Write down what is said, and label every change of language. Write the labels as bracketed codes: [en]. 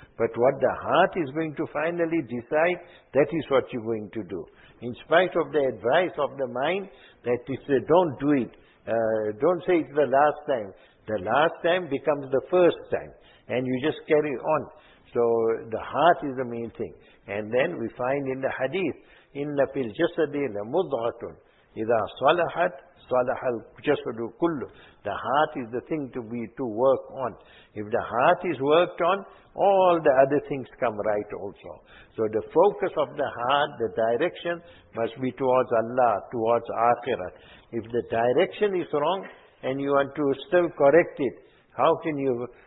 [en] But what the heart is going to finally decide, that is what you're going to do. In spite of the advice of the mind, that is, don't do it. Don't say it's the last time. The last time becomes the first time. And you just carry on. So the heart is the main thing. And then we find in the hadith, [ar] إِنَّ فِي الْجَسَدِ لَمُضْغَةٌ إِذَا صَلَحَتْ صَلَحَ الْجَسَدُ كُلُّ. [en] The heart is the thing to work on. If the heart is worked on, all the other things come right also. So the focus of the heart, the direction, must be towards Allah, towards Akhirat. If the direction is wrong and you want to still correct it, how can you?